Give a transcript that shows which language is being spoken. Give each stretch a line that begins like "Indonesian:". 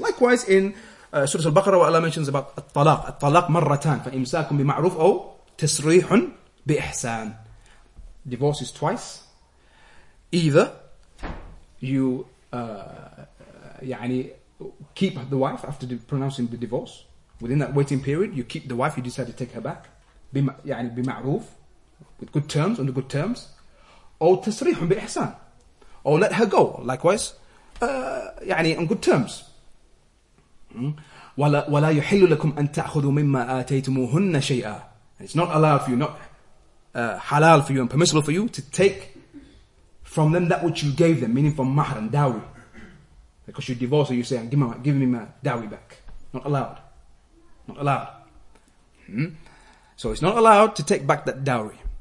English: Likewise in Surah Al-Baqarah, what Allah mentions about
Arabic: الطلاق, الطلاق مرتان, فإمساكم بمعروف أو تسريح بإحسان.
English: Divorce is twice. Either you يعني keep the wife after pronouncing the divorce, within that waiting period, you keep the wife, you decide to take her back, يعني بمعروف, with good terms, under good terms, or
Arabic: تسريح بإحسان,
English: or let her go, likewise, يعني on good terms.
Arabic: ولا يحل لكم أن تأخذوا مما آتيتموهن شيئا.
English: It's not allowed for you, not halal for you, and permissible for you to take from them that which you gave them, meaning from mahr and dowry. Because you divorce and you say, give me my dowry back. Not allowed. So it's not allowed to take back that dowry.